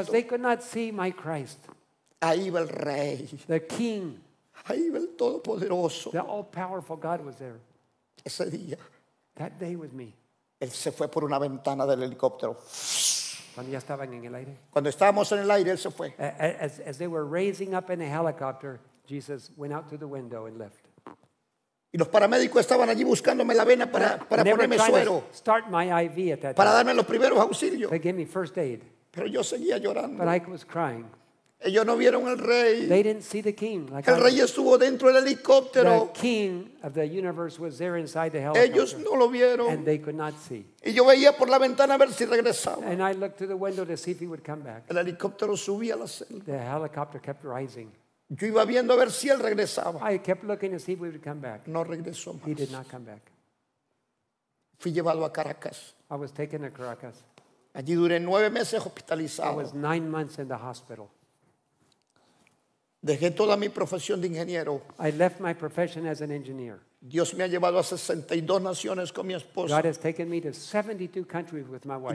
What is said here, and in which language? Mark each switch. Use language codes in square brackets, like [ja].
[en] Because they could not see my Christ. [es] Ahí iba el rey. [en] The king. [es] Ahí iba el todopoderoso. [en] The all-powerful God was there. [es] Ese día. [en] That day with me. [es] Él se fue por una ventana del helicóptero. Cuando ya estaban en el aire. Cuando estábamos en el aire, él se fue. [en] As they were raising up in a helicopter, Jesus went out to the window and left. [es] Y los paramédicos estaban allí buscándome la vena para ponerme suero. [en] Start my IV at that [es] para darme los primeros auxilios. [en] They gave me first aid. [es] Pero yo seguía llorando. [en] But I was crying. [es] Ellos no vieron al rey. [en] They didn't see the king. [es] Like el rey estuvo dentro del helicóptero. [en] The king of the universe was there inside the helicopter. [es] Ellos no lo vieron. [en] And they could not see. [es] Y yo veía por la ventana a ver si regresaba. [en] And I looked through the window to see if he would come back. [es] El helicóptero subía a la selva. [en] The helicopter kept rising. [es] Yo iba viendo a ver si él regresaba. [en] I kept looking to see if he would come back. [es] No regresó más. [en] He did not come back. [es] Fui llevado a Caracas. [en] I was taken to Caracas. [es] Allí duré 9 meses hospitalizado. [en] I was 9 months in the hospital. [es] Dejé toda mi profesión de ingeniero. [en] I left my profession as an engineer. [es] Dios me ha llevado a 62 naciones con mi esposa. [en] God has taken me to 72 countries with my wife.